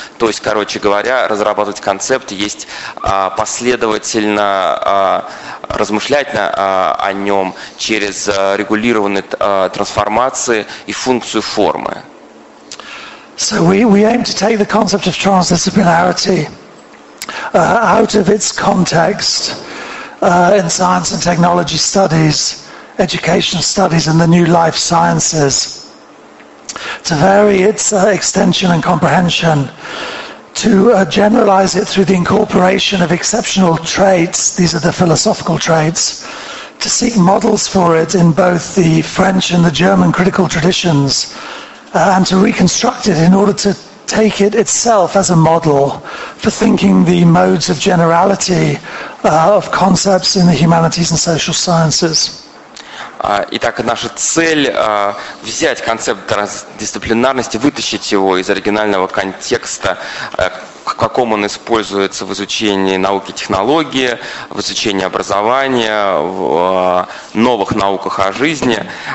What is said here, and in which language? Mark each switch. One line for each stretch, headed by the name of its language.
Russian: То есть, короче говоря, разрабатывать концепт есть последовательно размышлять о нем через регулированные трансформации и функцию формы.
English: So we aim to take the concept of transdisciplinarity out of its context in science and technology studies, education studies and the new life sciences, to vary its extension and comprehension, to generalize it through the incorporation of exceptional traits, these are the philosophical traits, to seek models for it in both the French and the German critical traditions, and to reconstruct it in order to take it itself as a model for thinking the modes of generality of concepts in the humanities and social sciences.
Russian: Итак, наша цель взять концепт трансдисциплинарности, вытащить его из оригинального контекста, к какому он используется в изучении науки и технологии, в изучении образования, в новых науках о жизни.